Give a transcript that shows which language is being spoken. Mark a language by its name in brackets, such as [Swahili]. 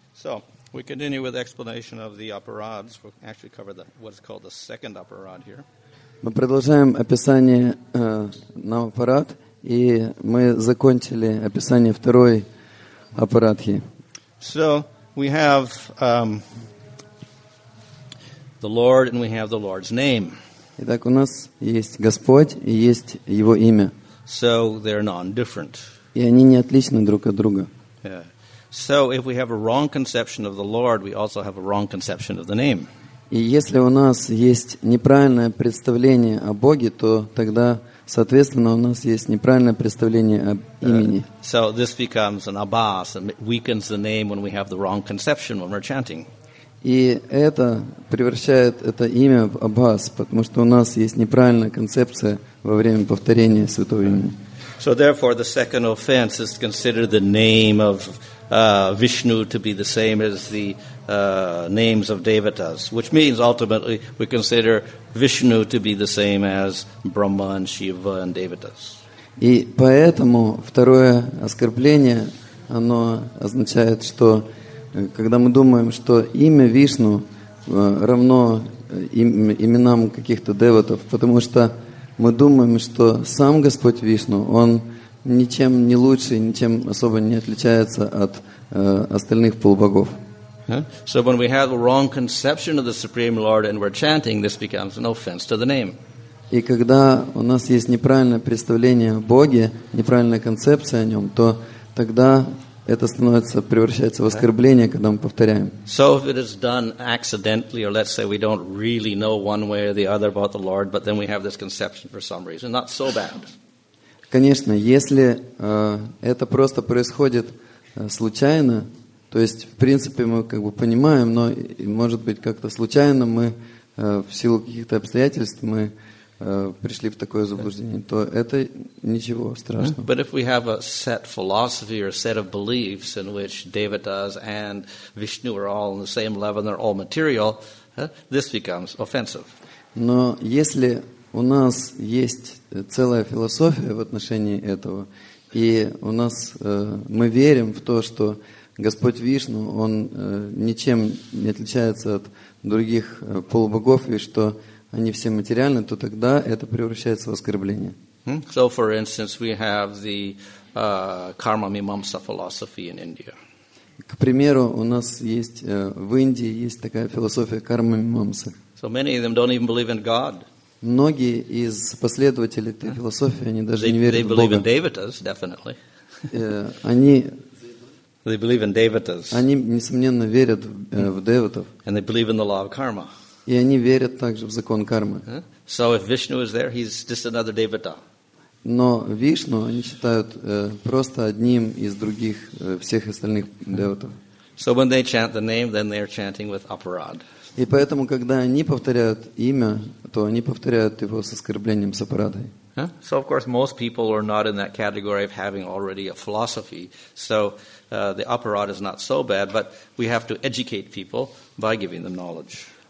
[English] So we continue with explanation of the upper rods. We'll actually cover the, what is called the second upper rod here. [Russian] Мы продолжаем описание на аппарат, и мы закончили описание второй аппаратхи. [English] So we have the Lord, and we have the Lord's name. [Russian] Итак, у нас есть Господь и есть Его имя. [English] So they're non-different. [Russian] И они не отличны друг от друга. [English] Yeah. So if we have a wrong conception of the Lord, we also have a wrong conception of the name. [Russian] И если у нас есть неправильное представление о Боге, то тогда, соответственно, у нас есть неправильное представление об имени. [English] So this becomes an abas, and weakens the name when we have the wrong conception when we're chanting. [Russian] И это превращает это имя в абас, потому что у нас есть неправильная концепция во время повторения святого имени. [English] So therefore, the second offense is to consider the name of Vishnu to be the same as the names of devatas, which means ultimately we consider Vishnu to be the same as Brahma and Shiva and devatas. [Russian] И поэтому второе оскорбление, оно означает, что когда мы думаем, что имя Вишну равно именам каких-то деватов, потому что мы думаем, что сам Господь Вишну, он ничем не лучше, ничем особо не отличается от остальных полубогов. [English] So when we have a wrong conception of the Supreme Lord and we're chanting, this becomes an offense to the name. [Russian] И когда у нас есть неправильное представление о Боге, неправильная концепция о нем, то тогда это становится, превращается в оскорбление, когда мы повторяем. [English] So if it is done accidentally, or let's say we don't really know one way or the other about the Lord, but then we have this conception for some reason, not so bad. [Russian] Конечно, если это просто происходит случайно, то есть, в принципе, мы как бы понимаем, но, может быть, как-то случайно мы в силу каких-то обстоятельств мы пришли в такое заблуждение, то это ничего страшного. [English] But if we have a set philosophy or a set of beliefs in which devatas and Vishnu are all on the same level and they're all material, this becomes offensive. [Russian] Но если у нас есть целая философия в отношении этого, и у нас мы верим в то, что Господь Вишну, он ничем не отличается от других полубогов, и что они все материальны, то тогда это превращается в оскорбление. [English] So, for instance, we have the karma mimamsa philosophy in India. [Russian] К примеру, у нас есть в Индии есть такая философия карма мимамсы. [English] So many of them don't even believe in God. [Russian] Многие из последователей этой философии, они даже не верят в Бога. [English] They believe in devatas, definitely. [Russian] Они [English] They believe in devatas. [Russian] Они несомненно верят в деватов. [English] And they believe in the law of karma. [Russian] И они верят также в закон кармы. [English] So if Vishnu is there, he's just another devata. [Russian] Но Вишну они считают просто одним из других всех остальных деватов. [English] So when they chant the name, then they're chanting with aparad. [Russian] И поэтому, когда они повторяют имя, то они повторяют его с оскорблением, с аппарадой. [English] So, of course, most people are not in that category of having already a philosophy. So, the aparad is not so bad, but we have to educate people by giving them knowledge.